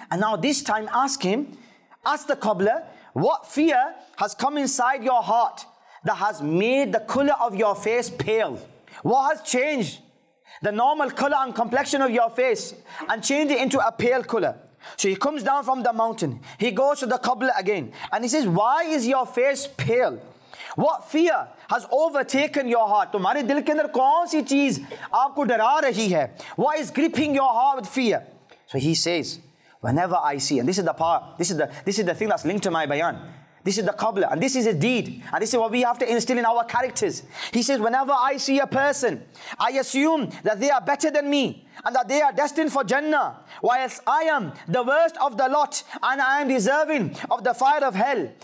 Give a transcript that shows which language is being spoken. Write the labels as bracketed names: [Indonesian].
[English] And now this time ask the qabla, what fear has come inside your heart that has made the color of your face pale? What has changed the normal color and complexion of your face and change it into a pale color? So he comes down from the mountain. He goes to the qabla again. And he says, why is your face pale? What fear has overtaken your heart? [Urdu] تمہارے دل کے اندر کون سی چیز آپ کو ڈرا رہی ہے؟ [English] What is gripping your heart with fear? So he says, whenever I see, and this is the thing that's linked to my bayan. This is the qabla and this is a deed. And this is what we have to instill in our characters. He says, whenever I see a person, I assume that they are better than me and that they are destined for Jannah, whilst I am the worst of the lot and I am deserving of the fire of hell.